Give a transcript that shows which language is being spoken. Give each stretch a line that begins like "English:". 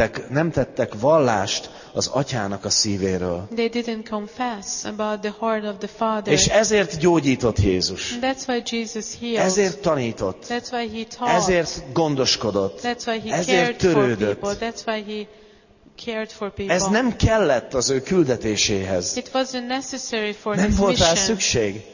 Hungarian: Nem tettek vallást az Atyának a szívéről.
English: They didn't confess about the heart of the Father.
Hungarian: És ezért gyógyított Jézus.
English: And that's why Jesus healed.
Hungarian: Ezért tanított.
English: That's why he taught.
Hungarian: Ezért gondoskodott.
English: That's why he
Hungarian: ezért
English: cared
Hungarian: törődött.
English: For people. That's why he cared for people.
Hungarian: Ez nem kellett az ő küldetéséhez.
English: It wasn't necessary for
Hungarian: nem
English: his
Hungarian: volt rá
English: mission.
Hungarian: Szükség.